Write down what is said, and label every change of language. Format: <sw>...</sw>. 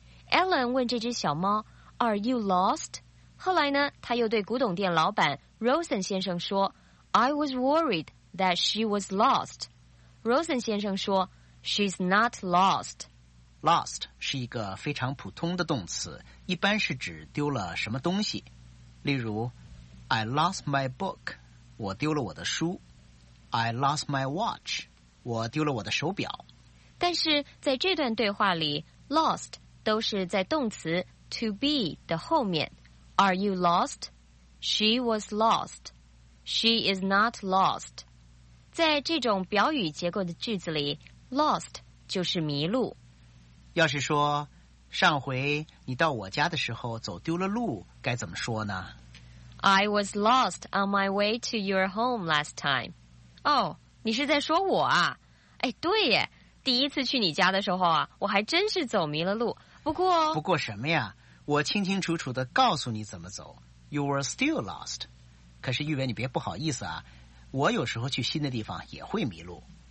<zh>Ellen 问这只小猫 ,</zh> <en>Are you lost?</en> <zh>后来呢，她又对古董店老板 Rosen 先生说 ,</zh> <en>I was worried. That she was lost. Rosen</en> <zh>先生说</zh> <en>She's not lost.</en> <zh>Lost 是一个非常普通的动词，一般是指丢了什么东西。例如</zh> <en>I lost my book.</en> <zh>我丢了我的书。</zh> <en>I lost my watch.</en> <zh>我丢了我的手表。但是在这段对话里 Lost 都是在动词 To be 的后面。</zh> <en>Are you lost? She was lost. She is not lost.</en> <zh>在这种表语结构的句子里 ,lost 就是迷路。要是说上回你到我家的时候走丢了路该怎么说呢</zh> <en>?I was lost on my way to your home last time.</en> <zh>哦、oh, 你是在说我啊哎对耶第一次去你家的时候啊我还真是走迷了路。不过什么呀我清清楚楚地告诉你怎么走。</zh> <en>You were still lost.</en> <zh>可是玉伟你别不好意思啊。我有时候去新的地方也会迷路。</zh>